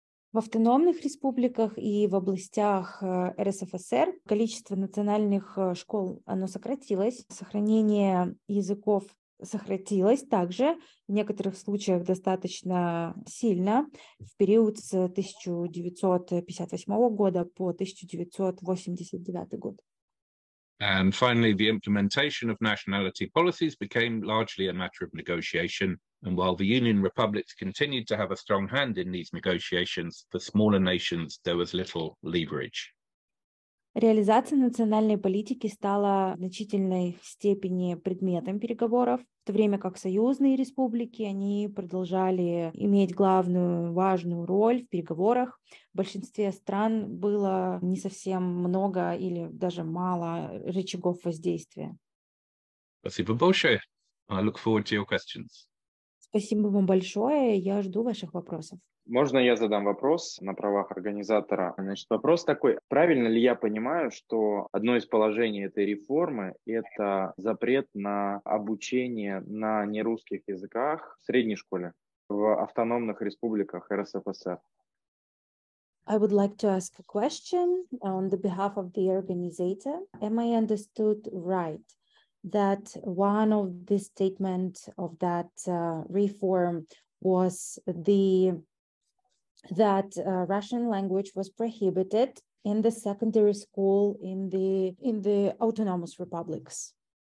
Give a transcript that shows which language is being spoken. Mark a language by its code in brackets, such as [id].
[ru] В автономных республиках и в областях РСФСР количество национальных школ, оно сократилось. Сохранение языков сократилось также, в некоторых случаях достаточно сильно, в период с 1958 года по 1989 год. [en] And finally, the implementation of nationality policies became largely a matter of negotiation. And while the Union Republics continued to have a strong hand in these negotiations, for smaller nations there was little leverage. [ru] Реализация национальной политики стала в значительной степени предметом переговоров, в то время как союзные республики, они продолжали иметь главную важную роль в переговорах. В большинстве стран было не совсем много или даже мало рычагов воздействия. Спасибо большое. [en] I look forward to your questions. [ru] Спасибо вам большое. Я жду ваших вопросов. Можно я задам вопрос на правах организатора? Значит, вопрос такой. Правильно ли я понимаю, что одно из положений этой реформы – это запрет на обучение на нерусских языках в средней школе в автономных республиках РСФСР? [en] I would like to ask a question on the behalf of the organizer. Am I understood right? That one of the statement of that reform was that Russian language was prohibited in the secondary school in the autonomous republics.